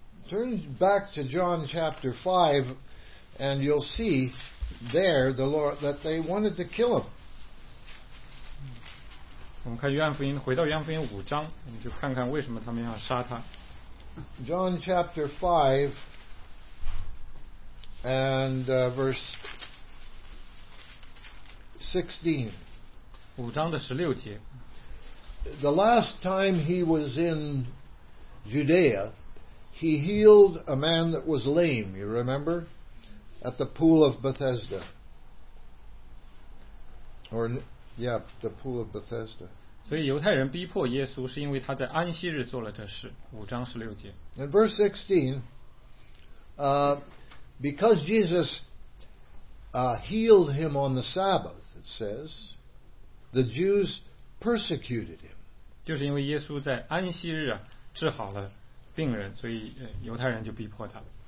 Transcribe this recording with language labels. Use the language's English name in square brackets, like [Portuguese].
[English] Turn back to John chapter 5 and you'll see there the Lord that they wanted to kill him. [Chinese] 我们看约翰福音，回到约翰福音五章，我们就看看为什么他们要杀他。 [English] John chapter 5And verse 16. [Chinese] 五章的十六节。 [English] The last time he was in Judea, he healed a man that was lame, you remember? At the pool of Bethesda. The pool of Bethesda. [Chinese] 所以犹太人逼迫耶稣是因为他在安息日做了这事。五章十六节。 [English] In verse 16, Because Jesus healed him on the Sabbath, it says, the Jews persecuted him. [Chinese] 就是因为耶稣在安息日啊治好了病人，所以犹太人就逼迫他。